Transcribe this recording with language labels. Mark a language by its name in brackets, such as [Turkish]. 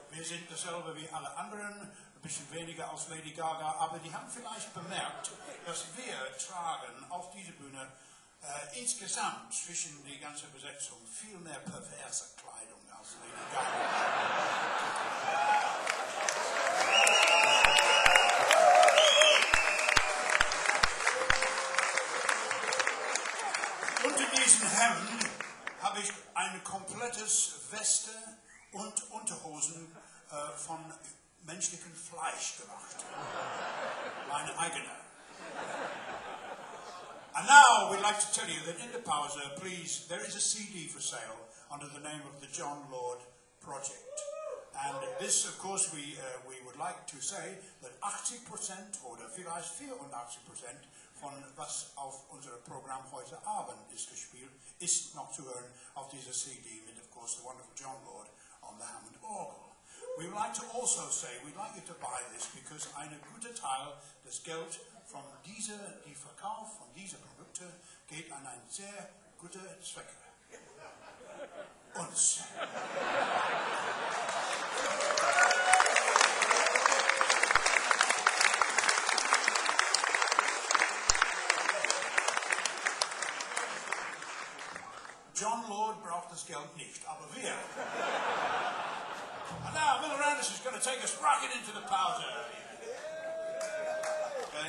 [German] Wir sind dasselbe wie alle anderen, ein bisschen weniger als Lady Gaga, aber die haben vielleicht bemerkt, dass wir tragen auf dieser Bühne insgesamt zwischen die ganze Besetzung viel mehr perverse Kleidung als Lady Gaga. Unter diesen Hemden habe ich ein komplettes Weste und Unterhosen von menschlichem Fleisch gemacht. Meine eigene. [English] And now we'd like to tell you that in the pause, please, there is a CD for sale under the name of the John Lord Project. And this, of course, we would like to say that 80% [German] oder vielleicht 84% von was auf unserem Programm heute Abend ist gespielt, ist noch zu hören auf dieser CD mit, [English] of course, the wonderful John Lord on the Hammond Orgel. We would like to also say we'd like you to buy this because [German] eine gute Teil des Geld von dieser die Verkauf von dieser Produkte geht an einen sehr guten Zweck. Uns. John Lord braucht das Geld nicht, aber wir. [English] And now, Miller Anderson is going to take us rocket into the powder.